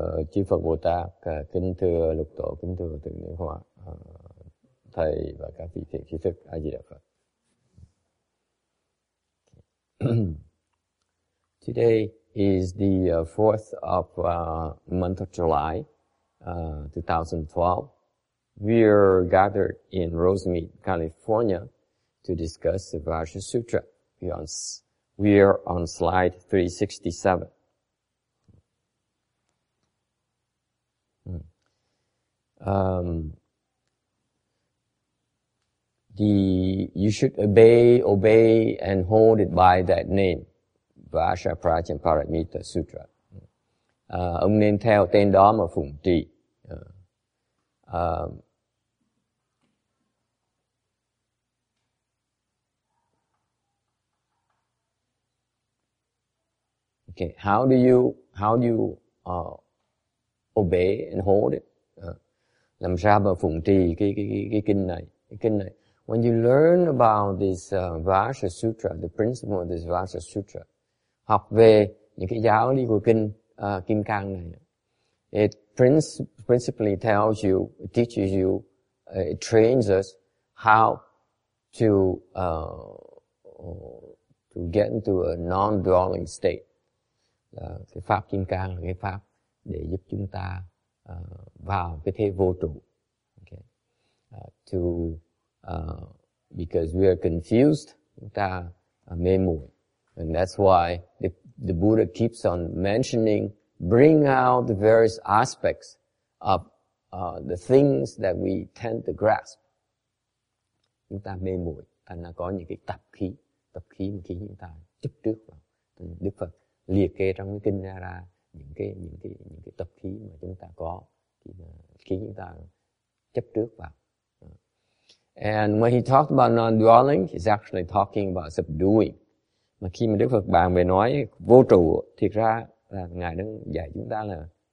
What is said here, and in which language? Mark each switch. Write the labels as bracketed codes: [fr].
[vi] Chifu Bodak, Kinh Thưa Lục Tổ, Kinh Thưa Thượng Niên Hoa, Thầy và các vị thiện trí thức, A Di Đà Phật. [en] Today is the 4th of month of July, 2012. We are gathered in Rosemead, California to discuss the Varja Sutra. We are on slide 367. You should obey and hold it by that name. Vāśa Prācin Paramita Sutra. [vi] Ông nên theo tên đó mà phụng trì. [en] Okay, how do you obey and hold it? [vi] Làm sao mà phụng trì cái kinh này? [en] When you learn about this Vāśa Sutra, the principle of this Vāśa Sutra, [vi] học về những cái giáo lý của kinh Kim Cang này, [en] it principally tells you, it teaches you, it trains us how to get into a non-dwelling state. [vi] Cái pháp Kim Cang là cái pháp để giúp chúng ta vào cái thế vô trụ. [en] Okay. Because we are confused, [vi] chúng ta mê muội. [en] And that's why the Buddha keeps on mentioning, bring out the various aspects of the things that we tend to grasp. [vi] Chúng ta mê muội, thành ra có những cái tập khí mà khiến chúng ta chấp trước vào. Đức Phật liệt kê trong cái kinh ra những cái tập khí mà chúng ta có khiến chúng ta chấp trước vào. [en] And when he talked about non-dwelling, he's actually talking about subduing. [vi] Mà khi mà Đức Phật bàn về nói vô trụ, thiệt ra là Ngài đang dạy chúng ta là